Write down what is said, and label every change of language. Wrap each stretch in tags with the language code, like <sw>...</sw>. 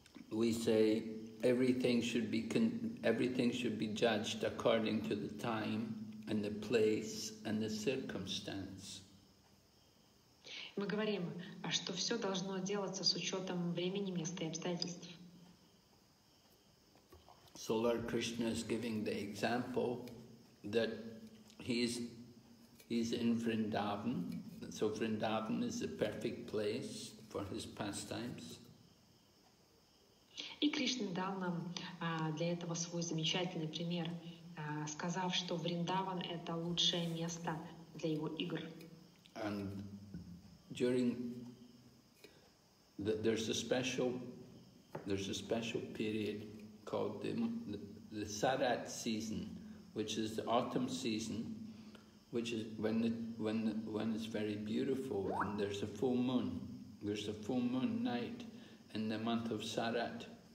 <en>We say everything should be judged according to the time and the place and the circumstance.</en> <ru>Мы говорим, что все должно делаться с учетом времени, места и обстоятельств.</ru> <en>So Lord Krishna is giving the example that he's in Vrindavan. So Vrindavan is the perfect place for his pastimes.</en> <ru>И Кришна дал нам для этого свой замечательный пример, сказав, что Вриндаван – это лучшее место для его игр.</ru> <en>And during there's a special period called the Sarat season, which is the autumn season, which is when it's very beautiful and there's a full moon night in the month of Sarat.</en>